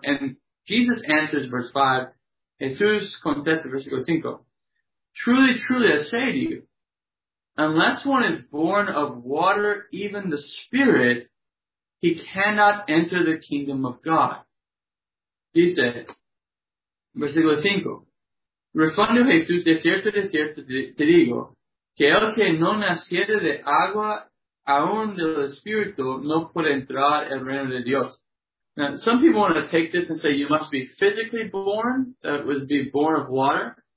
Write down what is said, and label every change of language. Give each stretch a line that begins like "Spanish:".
English: And Jesus answers verse 5.
Spanish: Jesús contesta versículo 5.
English: Truly, truly, I say to you, unless one is born of water, even the Spirit, he cannot enter the kingdom of God.
Spanish: Dice, versículo 5. Respondió Jesús, de cierto, te digo, que el que no naciere de agua, aún del Espíritu, no puede entrar el reino de Dios.
English: Now, some people want to take this and say you must be physically born, that would be born of water.